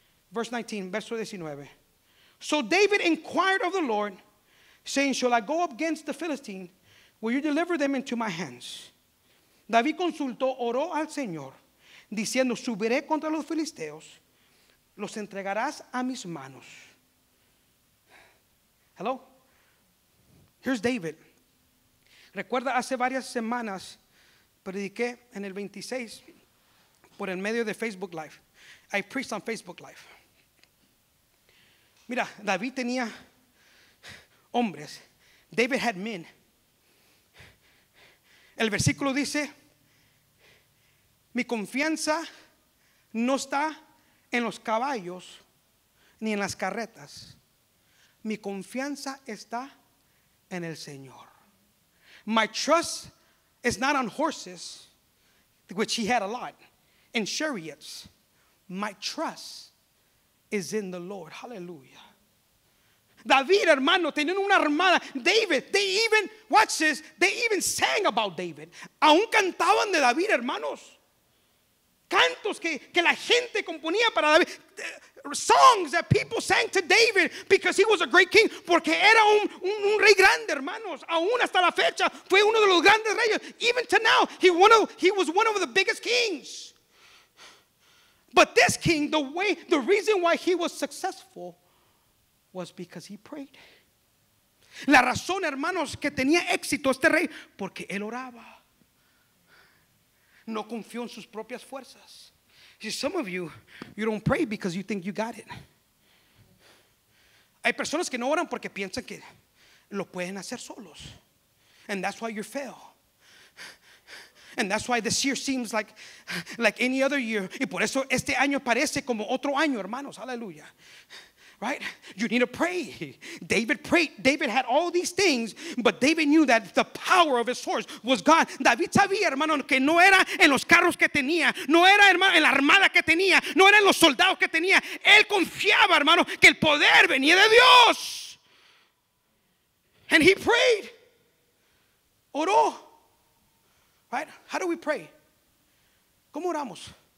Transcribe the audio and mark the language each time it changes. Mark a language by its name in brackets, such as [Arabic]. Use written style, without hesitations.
[Spanish] Verso 19. [English] So David inquired of the Lord, saying, shall I go up against the Philistine? Will you deliver them into my hands? [Spanish] David consultó, oró al Señor, diciendo, subiré contra los filisteos, los entregarás a mis manos. [English] Hello? Here's David. [Spanish] Recuerda, hace varias semanas, prediqué en el 26, por el medio de Facebook Live. [English] I preached on Facebook Live. [Spanish] Mira, David tenía hombres. [English] David had men. [Spanish] El versículo dice, mi confianza no está en los caballos ni en las carretas. Mi confianza está en el Señor. [English] My trust is not on horses, which he had a lot, and chariots. My trust is in the Lord. Hallelujah. [Spanish] David, hermano, tenían una armada. [English] David, they even sang about David. [Spanish] Aún cantaban de David, hermanos. Cantos que la gente componía para David. [English] Songs that people sang to David because he was a great king. [Spanish] Porque era un rey grande, hermanos. Aún hasta la fecha fue uno de los grandes reyes. [English] Even to now, he was one of the biggest kings. But this king, the reason why he was successful was because he prayed. [Spanish] La razón, hermanos, que tenía éxito este rey, porque él oraba. No confió en sus propias fuerzas. [English] See, some of you don't pray because you think you got it. [Spanish] Hay personas que no oran porque piensan que lo pueden hacer solos. [English] And that's why you fail. And that's why this year seems like any other year. [Spanish] Y por eso este año parece como otro año, hermanos. [English] Aleluya. Right? You need to pray. David prayed. David had all these things, but David knew that the power of his horse was God. [Spanish] David sabía, hermano, que no era en los carros que tenía, no era, hermano, en la armada que tenía, no era en los soldados que tenía. Él confiaba, hermano, que el poder venía de Dios. [English] And he prayed. [Spanish] Oró. [English] Right? How do we pray? [Spanish] ¿Cómo oramos?